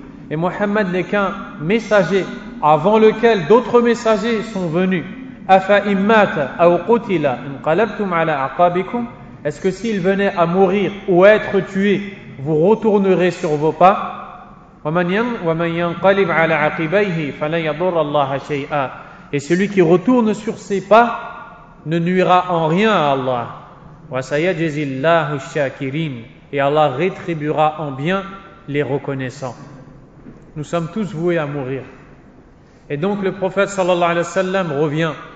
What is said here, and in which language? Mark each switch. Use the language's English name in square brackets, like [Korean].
[French] Et Muhammad n'est qu'un messager avant lequel d'autres messagers sont venus. Est-ce que s'il venait à mourir ou à être tué, vous retournerez sur vos pas? [Arabic] ومن ينقلب على عقبيه فلن يضر الله شيئا. [French] Et celui qui retourne sur ses pas ne nuira en rien à Allah. [Arabic] وسيجزي الله الشاكرين. [French] Et Allah rétribuera en bien les reconnaissants. Nous sommes tous voués à mourir. Et donc le prophète sallallahu alayhi wa sallam revient.